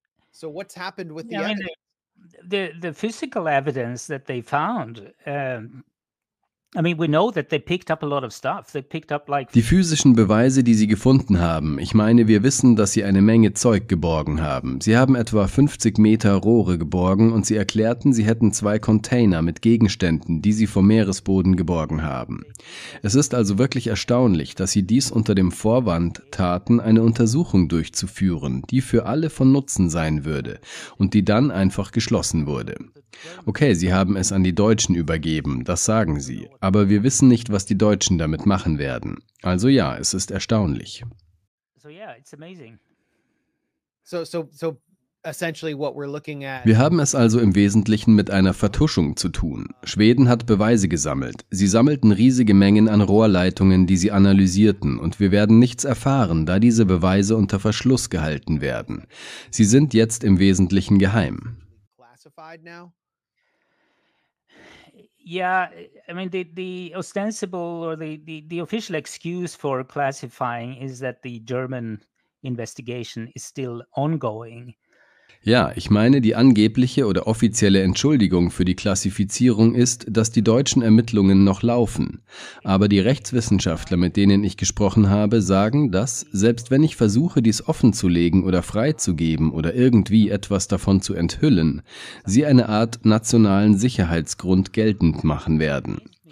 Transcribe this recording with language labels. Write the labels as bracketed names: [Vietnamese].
[English] So what's happened with the the physical evidence that they found? I mean, we know that they picked up a lot of stuff. They picked up like [German] die physischen Beweise, die sie gefunden haben. Ich meine, wir wissen, dass sie eine Menge Zeug geborgen haben. Sie haben etwa 50 Meter Rohre geborgen und sie erklärten, sie hätten zwei Container mit Gegenständen, die sie vom Meeresboden geborgen haben. Es ist also wirklich erstaunlich, dass sie dies unter dem Vorwand taten, eine Untersuchung durchzuführen, die für alle von Nutzen sein würde und die dann einfach geschlossen wurde. Okay, sie haben es an die Deutschen übergeben, das sagen sie. Aber wir wissen nicht, was die Deutschen damit machen werden. Also ja, es ist erstaunlich. [English] So yeah, it's amazing. So essentially what we're looking at. [German] Wir haben es also im Wesentlichen mit einer Vertuschung zu tun. Schweden hat Beweise gesammelt. Sie sammelten riesige Mengen an Rohrleitungen, die sie analysierten, und wir werden nichts erfahren, da diese Beweise unter Verschluss gehalten werden. Sie sind jetzt im Wesentlichen geheim. [English] Now? Yeah, I mean the ostensible or the official excuse for classifying is that the German investigation is still ongoing. [German] Ja, ich meine, die angebliche oder offizielle Entschuldigung für die Klassifizierung ist, dass die deutschen Ermittlungen noch laufen. Aber die Rechtswissenschaftler, mit denen ich gesprochen habe, sagen, dass, selbst wenn ich versuche, dies offenzulegen oder freizugeben oder irgendwie etwas davon zu enthüllen, sie eine Art nationalen Sicherheitsgrund geltend machen werden.